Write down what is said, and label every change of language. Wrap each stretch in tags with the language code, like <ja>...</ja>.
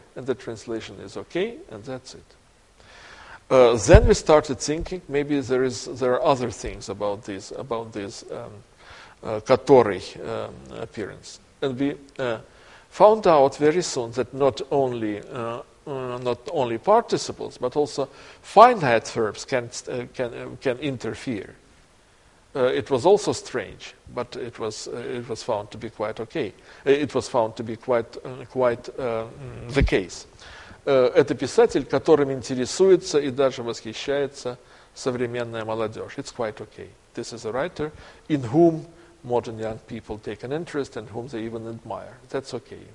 <en>And the translation is okay, and that's it. Then we started thinking maybe there are other things about this katori appearance, and we found out very soon that not only participles but also finite verbs can interfere. It was also strange, but it was found to be quite okay. It was found to be quite the case.</en> <ru>Это писатель, которым интересуется и даже восхищается современная молодежь.</ru> <en>It's quite okay. This is a writer in whom modern young people take an interest and whom they even admire. That's okay.</en>